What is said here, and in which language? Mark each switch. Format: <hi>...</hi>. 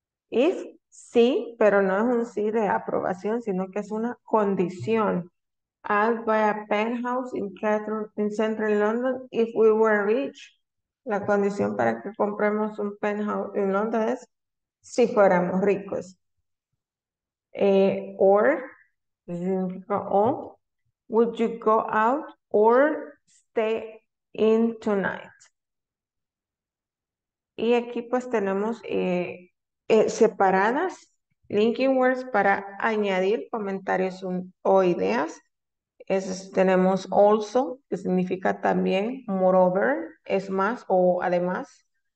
<es>If sí, pero no es un sí de aprobación, sino que es una condición.</es> <en>I'd buy a penthouse in central London if we were rich.</en> <es>La condición para que compremos un penthouse en Londres es si fuéramos ricos.</es> <en>Or, would you go out or stay in tonight?</en> <es>Y aquí pues tenemos separadas linking words para añadir comentarios o ideas. Tenemos also, que significa también, moreover, es más o además.</es>